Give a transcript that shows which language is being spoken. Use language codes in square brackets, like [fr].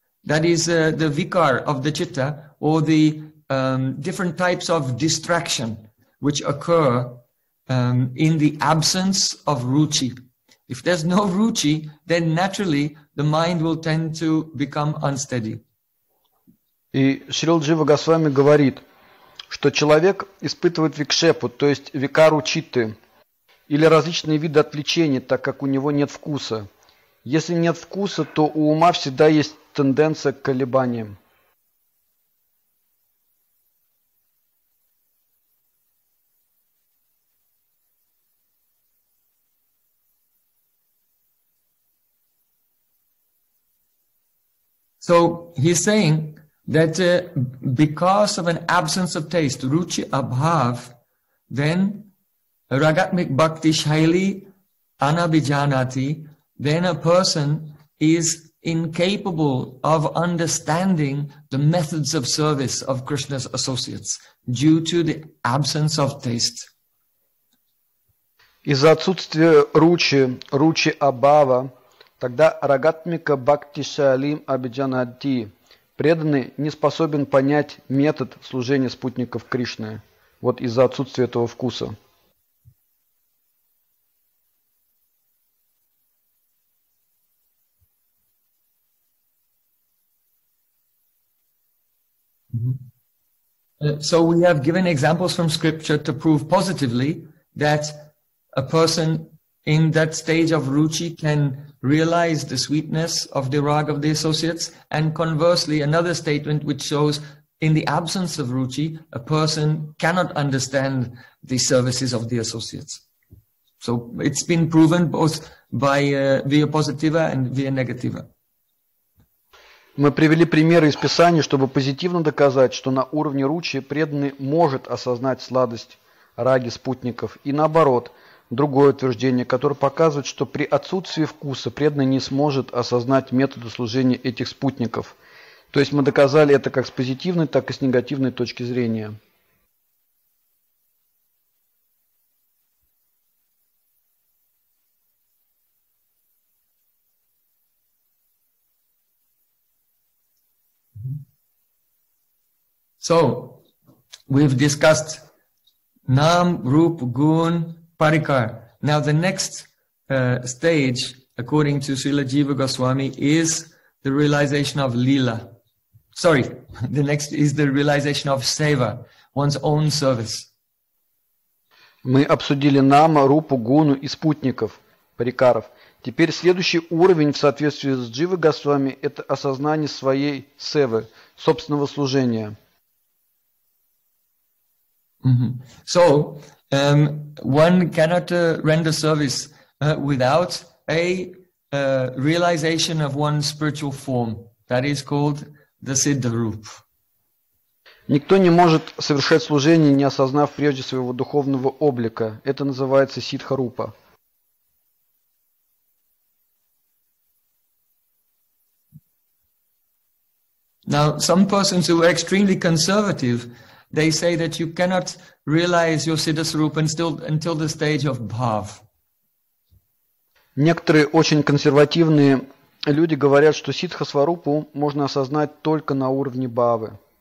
[en] That is the vikar of the citta, or the different types of distraction which occur in the absence of ruchi. If there's no ruchi, then naturally the mind will tend to become unsteady. [ru] И Шрила Джива Госвами говорит, что человек испытывает викшепу, то есть викару читты, или различные виды отвлечений, так как у него нет вкуса. Если нет вкуса, то у ума всегда есть тенденция к колебаниям. [en] So he's saying that because of an absence of taste, ruchi abhav, then [sa] ragatmik bhakti shaili anabijanati, [en] then a person is incapable of understanding the methods of service of Krishna's associates due to the absence of taste. [ru] Из-за отсутствия ручи, ручи абхава, тогда [sa] рагатмика бхакти шалим абиджанати, [ru] преданный, не способен понять метод служения спутников Кришны, вот из-за отсутствия этого вкуса. [en] So we have given examples from scripture to prove positively that a person in that stage of ruchi can realize the sweetness of the rag of the associates, and conversely, another statement which shows in the absence of ruchi, a person cannot understand the services of the associates. So it's been proven both by via positiva and via negativa. [ru] Мы привели примеры из Писания, чтобы позитивно доказать, что на уровне ручи преданный может осознать сладость раги спутников, и наоборот. Другое утверждение, которое показывает, что при отсутствии вкуса преданный не сможет осознать методы служения этих спутников. То есть мы доказали это как с позитивной, так и с негативной точки зрения. [en] So, we've discussed Nam, Rup, Gun, Parikar. Now the next stage, according to Srila Jiva Goswami, is the realization of Lila. Sorry, the next is the realization of Seva, one's own service. [ru] Мы обсудили Нама, Рупу, Гуну и спутников, парикаров. Теперь следующий уровень в соответствии с Джива Госвами – это осознание своей Севы, собственного служения. [en] So, one cannot render service without a realization of one's spiritual form. That is called the Siddha Rup. [ru] Никто не может совершать служение, не осознав прежде своего духовного облика. Это называется Сиддха Рупа. [en] Now, some persons who are extremely conservative, they say that you cannot realize your siddha swarupa until the stage of bhav. [ru] Некоторые очень консервативные люди говорят, что сиддха сварупу можно осознать только на уровне бхавы.